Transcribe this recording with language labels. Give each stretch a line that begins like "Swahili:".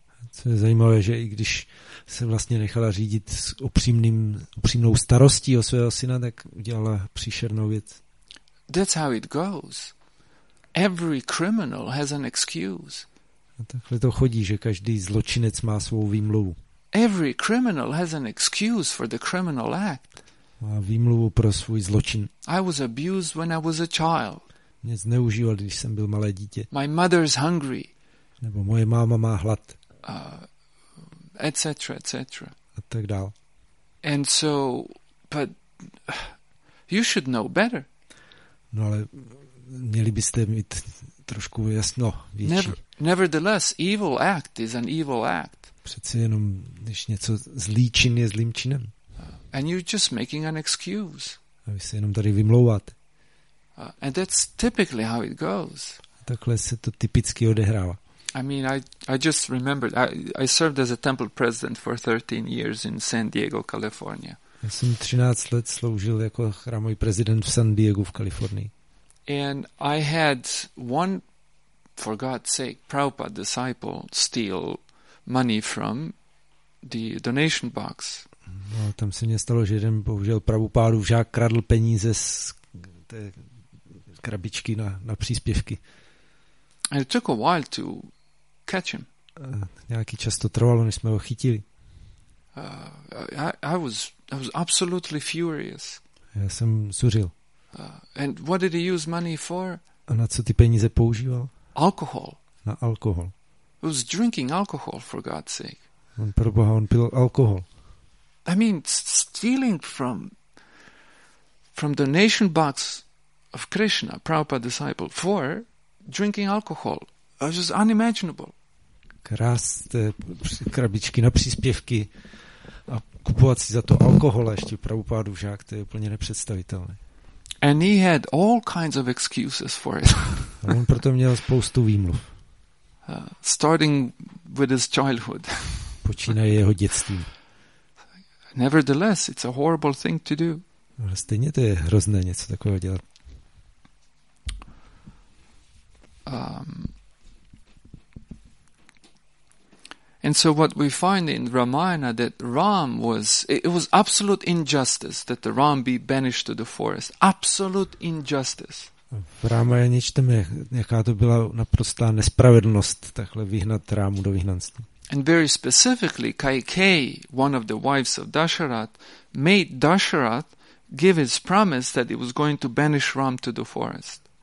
Czech: Co je zajímavé, že i když se vlastně nechala řídit s upřímnou starostí o svého syna, tak udělala příšernou věc.
English: That's how it goes. Every criminal has an excuse.
Czech: A takhle to chodí, že každý zločinec má svou výmluvu.
English: Every criminal has an excuse for the criminal act.
Czech: Má výmluvu pro svůj zločin.
English: I was abused when I was a child.
Czech: Mě zneužíval, když jsem byl malé dítě.
English: My mother's hungry.
Czech: Nebo moje máma má hlad.
English: Etc., etc.
Czech: A tak dál.
English: And so, but you should know better.
Czech: No ale měli byste mít trošku jasno větší.
English: Nevertheless, evil act is an evil act.
Czech: Přeci jenom, když něco zlý čin je zlým činem.
English: And you're just making an excuse.
Czech: A vy se jenom tady vymlouváte.
English: And that's typically how it goes.
Czech: A takhle se to typicky odehrává.
English: I mean, I just remembered, I served as a temple president for 13 years in San Diego, California.
Czech: Já jsem 13 let sloužil jako chrámový prezident v San Diego v Kalifornii.
English: And I had one, for God's sake, Prabhupada disciple steal money from the donation box.
Czech: No, tam se mě stalo, že jeden bohužel Prabhupádův žák kradl peníze z té krabičky na příspěvky.
English: It took a while to catch him.
Czech: Nějaký čas to trvalo, než jsme ho chytili.
English: I was absolutely furious.
Czech: Já jsem zuřil.
English: And what did he use money for?
Czech: A na co ty peníze používal?
English: Alcohol.
Czech: Na alkohol.
English: He was drinking alcohol, for God's sake.
Czech: On pro Boha, on pil alkohol.
English: I mean, stealing from the donation box of Krishna, Prabhupada disciple, for drinking alcohol. It was just unimaginable.
Czech: Krást krabičky na příspěvky a kupovat si za to alkohol a ještě Prabhupádu žák, to je úplně nepředstavitelné.
English: And he had all kinds of excuses for it.
Czech: A on proto měl spoustu výmluv.
English: Starting with his childhood.
Czech: Počínaje jeho dětstvím.
English: Nevertheless, it's a horrible thing to do.
Czech: Ale stejně to je hrozné něco takového dělat.
English: And so what we find in Ramayana that Ram was, it was absolute injustice that the Ram be banished to the forest. Absolute injustice.
Czech: V Ramayaně čteme, jaká to byla naprostá nespravedlnost takhle vyhnat Rámu do vyhnanství.
English: And very specifically, Kaikeyi, one of the wives of Dasharath, made Dasharath give his promise that he was going to banish Ram to the forest.